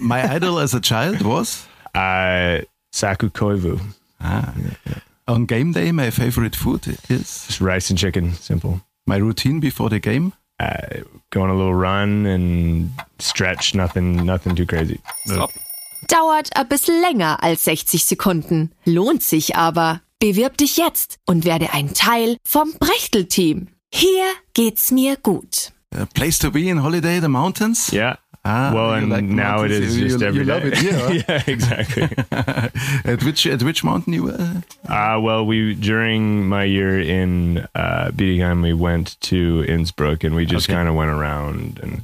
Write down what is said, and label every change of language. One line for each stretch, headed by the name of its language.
English: My idol as a child was? Saku Koivu. Ah, yeah. On game day, my favorite food is? Just rice and chicken, simple. My routine before the game? Go on a little run and stretch, nothing too crazy. Stop.
German: Dauert ein bisschen länger als 60 Sekunden, lohnt sich aber. Bewirb dich jetzt und werde ein Teil vom Brechtl-Team. Hier geht's mir gut.
English: Place to be in holiday, the mountains? Yeah. Well, and like now it is just every day. You love it here, right? Yeah, exactly. at which mountain you were? During my year in Bietigheim, we went to Innsbruck and we just kind of went around.